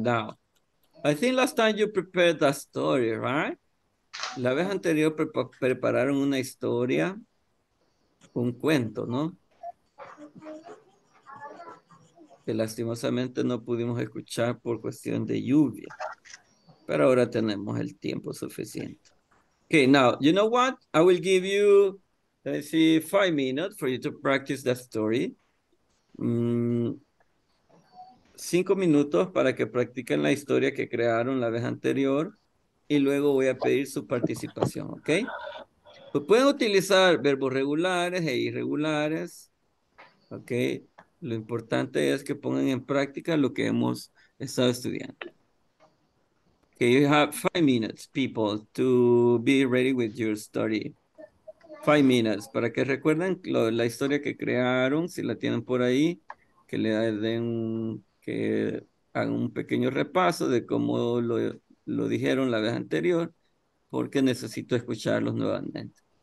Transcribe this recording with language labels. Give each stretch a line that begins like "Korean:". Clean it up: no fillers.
English: Now, I think last time you prepared that story, right?
Spanish: La vez anterior prepararon una historia, un cuento, ¿no? Que lastimosamente no pudimos escuchar por cuestión de lluvia. Pero ahora tenemos el tiempo suficiente.
English: Okay, now, you know what? I will give you, let's see, 5 minutes for you to practice that story.
Spanish: 5 minutos para que practiquen la historia que crearon la vez anterior. Y luego voy a pedir su participación, okay? Pues pueden utilizar verbos regulares e irregulares, okay? Lo importante es que pongan en práctica lo que hemos estado estudiando.
English: Okay, you have 5 minutes, people, to be ready with your story.
Spanish: 5 minutes, para que recuerden la historia que crearon, si la tienen por ahí, que le den, que hagan un pequeño repaso de cómo lo dijeron la vez anterior, porque necesito escucharlos nuevamente.